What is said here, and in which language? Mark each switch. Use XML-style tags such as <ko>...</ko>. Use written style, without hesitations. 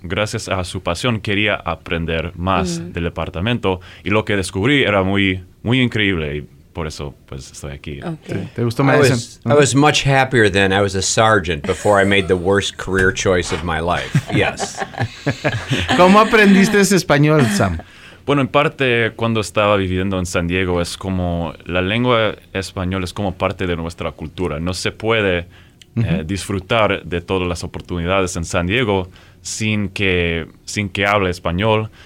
<es>Gracias a su pasión, quería aprender más uh-huh. del departamento. Y lo que descubrí era muy, muy increíble. Y por eso, pues, estoy aquí.</es> <en>Okay.</en> <es>¿Te gustó Madison?</es> <en>I was much happier than I was a sergeant before I made the worst career choice of my life. Yes.</en> <es>¿Cómo aprendiste ese español, Sam? Bueno, en parte, cuando estaba viviendo en San Diego, es como la lengua española es como parte de nuestra cultura. No se puede disfrutar de todas las oportunidades en San Diego sin que hable español.</es>